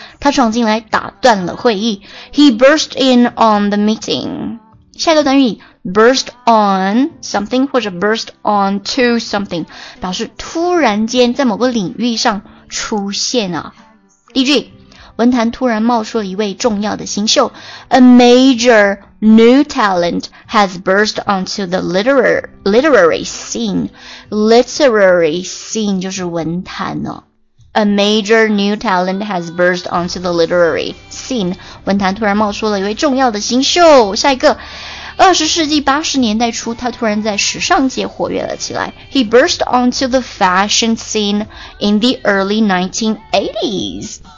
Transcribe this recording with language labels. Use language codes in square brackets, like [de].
[zh] 他闯进来打断了会议。 [en] He burst in on the meeting. [zh] 下一个短语Burst on something 或者 burst on to something 表示突然间在某个领域上出现啊。例句，文坛突然冒出了一位重要的新秀。 [en] A major new talent has burst onto the literary scene. Literary scene [zh] 就是文坛啊。 [en] A major new talent has burst onto the literary scene. [zh] 文坛突然冒出了一位重要的新秀。下一个20世纪80年代初他突然在时尚界活跃了起来。 [en] He burst onto the fashion scene in the early 1980s.